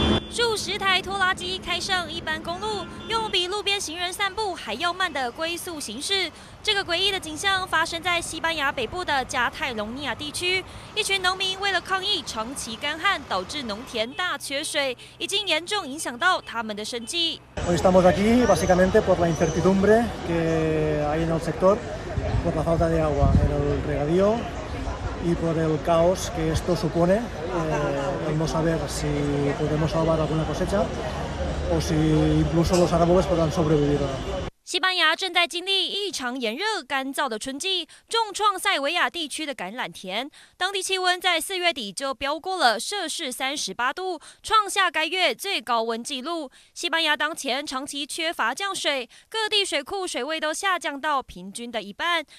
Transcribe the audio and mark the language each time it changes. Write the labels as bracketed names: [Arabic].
[Chinese] 数十台拖拉机开上一般公路，用比路边行人散步还要慢的龟速行驶。这个诡异的景象发生在西班牙北部的加泰隆尼亚地区，一群农民为了抗议长期干旱导致农田大缺水，已经严重影响到他们的生计。 [Spanish] Hoy estamos aquí básicamente por la incertidumbre que hay en el sector, por la falta de agua en el regadío y por el caos que esto supone. Vamos a ver si podemos salvar alguna cosecha o si incluso los árboles podrán sobrevivir. [Chinese] 西班牙正在经历异常炎热干燥的春季，重创塞维亚地区的橄榄田。当地气温在四月底就飙过了摄氏38度，创下该月最高温纪录。西班牙当前长期缺乏降水，各地水库水位都下降到平均的一半。